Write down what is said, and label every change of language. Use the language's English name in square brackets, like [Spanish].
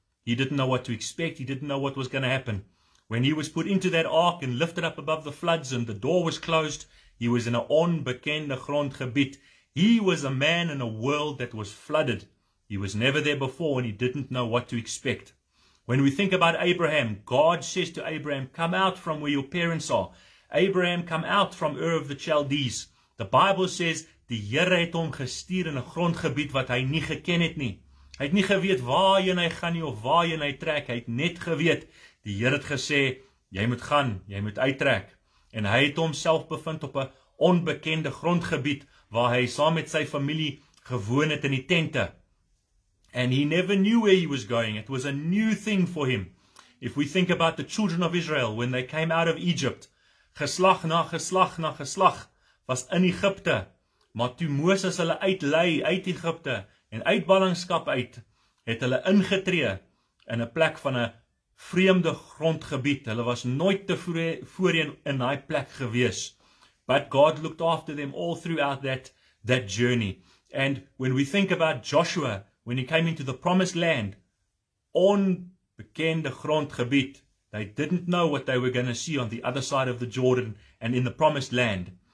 [English] He didn't know what to expect. He didn't know what was going to happen. When he was put into that ark and lifted up above the floods and the door was closed, he was in an [Afrikaans] onbekende grondgebied. [English] He was a man in a world that was flooded. He was never there before and he didn't know what to expect. When we think about Abraham, God says to Abraham, come out from where your parents are. Abraham, come out from Ur of the Chaldees. The Bible says, [Afrikaans] die Here het hom gestuur in 'n grondgebied wat hy nie geken het nie. Hy het nie geweet waarheen hy gaan nie of waarheen hy trek. Hy het net geweet, die Here het gesê, jy moet gaan, jy moet uittrek. En hy het homself bevind op 'n onbekende grondgebied waar hy saam met sy familie gewoon het in die tente. [English] And he never knew where he was going. It was a new thing for him. If we think about the children of Israel, when they came out of Egypt, [Afrikaans] geslag na geslag na geslag was in Egypte. Maar toe Moses hulle uitlei uit Egypte en uit ballingskap uit, het hulle ingetree in 'n plek van 'n vreemde grondgebied. Hulle was nooit tevore in daai plek gewees. [English] But God looked after them all throughout that journey. And when we think about Joshua, when he came into the promised land, [Afrikaans] onbekende grondgebied, [English] they didn't know what they were going to see on the other side of the Jordan and in the promised land.